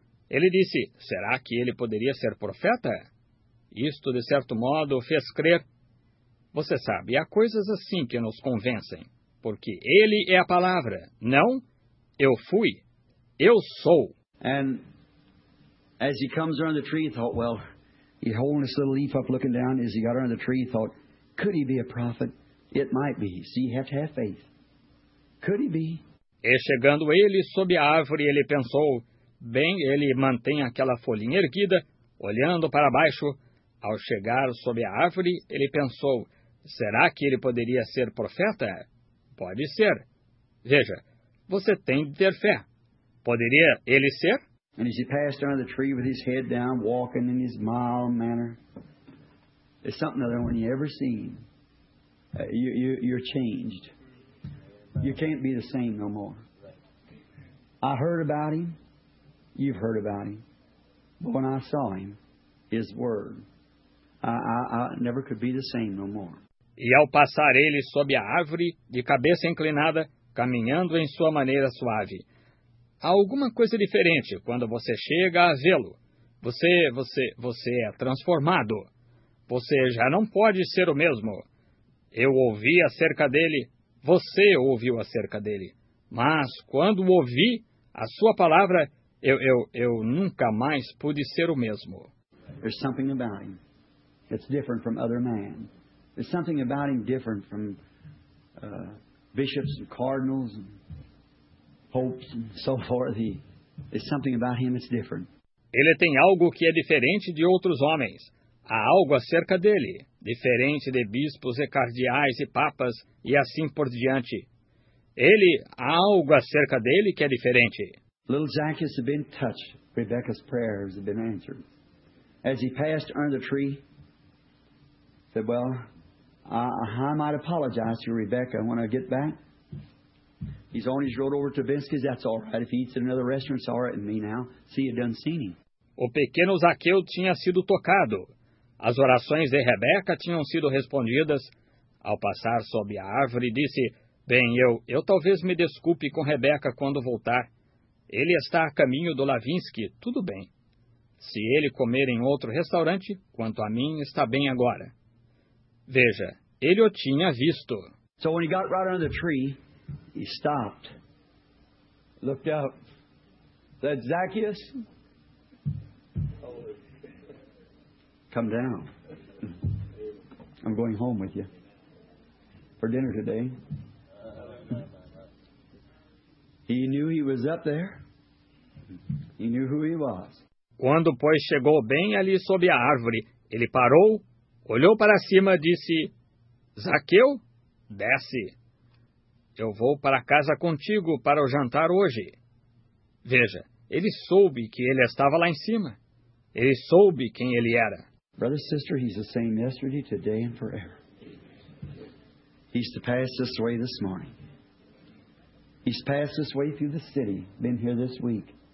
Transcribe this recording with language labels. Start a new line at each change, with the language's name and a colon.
Portuguese: Ele disse, será que ele poderia ser profeta? Isto, de certo modo, o fez crer. Você sabe, há coisas assim que nos convencem, porque ele é a palavra, não? Eu fui. Eu sou.
English: And as he comes around the tree, he thought, well, he holding this little leaf up looking down, as he got around the tree, he thought, could he be a prophet? It might be. See, you have to have faith. Could he be?
Portuguese: E chegando ele sob a árvore, ele pensou, bem, ele mantém aquela folhinha erguida, olhando para baixo. Ao chegar sob a árvore, ele pensou, será que ele poderia ser profeta? Pode ser. Veja, você tem de ter fé. Poderia ele ser?
English: And as he passed under the tree with his head down, walking in his mild manner, there's something that only you ever seen. You're changed. You can't be the same no more. I heard about him. You've heard about him. But when I saw him, his word, I never could be the same no more.
Portuguese: E ao passar ele sob a árvore, de cabeça inclinada, caminhando em sua maneira suave, há alguma coisa diferente quando você chega a vê-lo. Você é transformado. Você já não pode ser o mesmo. Eu ouvi acerca dele. Você ouviu acerca dele, mas quando ouvi a sua palavra, eu nunca mais pude ser o mesmo.
English: There's something about him that's different from other men. There's something about him different from bishops and cardinals and popes and so forth. There's something about him that's different.
Portuguese: Ele tem algo que é diferente de outros homens. Há algo acerca dele, diferente de bispos e cardeais e papas e assim por diante. Ele, há algo acerca dele que é diferente.
English: Little Zacchaeus had been touched. Rebecca's prayers had been answered. As he passed under the tree, said, well, I might apologize to Rebecca when I get back. He's on his road over to Vinsky's. That's all right. If he eats at another restaurant, it's all right with me now. See, you done seen him.
Portuguese: O pequeno Zaqueu tinha sido tocado. As orações de Rebeca tinham sido respondidas. Ao passar sob a árvore, disse, bem, eu talvez me desculpe com Rebeca quando voltar. Ele está a caminho do Lavinsky, tudo bem. Se ele comer em outro restaurante, quanto a mim, está bem agora. Veja, ele o tinha visto.
English: So when he got right under the tree, he stopped, looked up, said, Zacchaeus, come down. I'm going home with you for dinner today. He knew he was up there. He knew who he was.
Portuguese: Quando, pois, chegou bem ali sob a árvore, ele parou, olhou para cima, disse, Zaqueu, desce. Eu vou para casa contigo para o jantar hoje. Veja, ele soube que ele estava lá em cima. Ele soube quem ele era.
English: Brother, sister, he's the same yesterday, today and forever. He's to pass this way this morning. He's passed this way through the city, been here this week.